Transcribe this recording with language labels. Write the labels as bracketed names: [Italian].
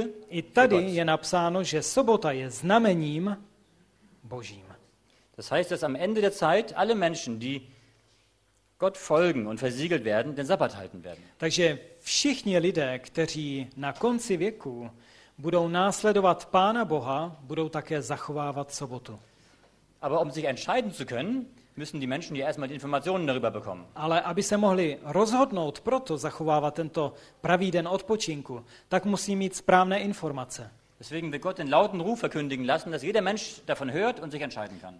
[Czech] i tady je napsáno, že sobota je znamením Božím. [German] Das heißt, dass am Ende der Zeit alle Menschen, die Gott folgen und versiegelt werden, den Sabbat halten werden. [Czech] Takže všichni lidé, kteří na konci věku budou následovat Pána Boha, budou také zachovávat sobotu. [German] Aber um sich entscheiden zu können, müssen die Menschen ja erstmal die Informationen darüber bekommen. [Czech] Ale aby se mohli rozhodnout proto zachovávat tento pravý den odpočinku, tak musí mít správné informace. [German] Deswegen wird Gott den lauten Ruf verkündigen lassen, dass jeder Mensch davon hört und sich entscheiden kann.